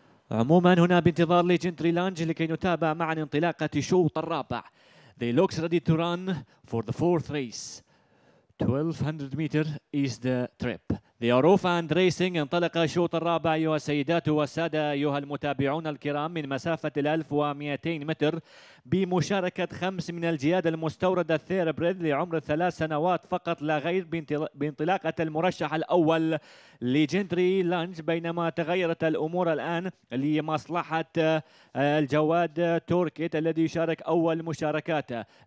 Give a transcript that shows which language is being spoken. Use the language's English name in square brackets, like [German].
[Arabic] عموما هنا بانتظار ليجندري لانج لكي نتابع معا انطلاقة الشوط الرابع. [English] They looks ready to run for the fourth race. 1200 meter is the trip. They are off and racing. [Arabic] انطلق الشوط الرابع أيها السيدات والسادة أيها المتابعون الكرام من مسافة 1200 متر بمشاركة خمس من الجيادة المستوردة الثيربريد لعمر 3 سنوات فقط لا غير بانطلاقة المرشح الأول ليجندري لانج، بينما تغيرت الأمور الآن لمصلحة الجواد توركيت الذي يشارك أول مشاركاته.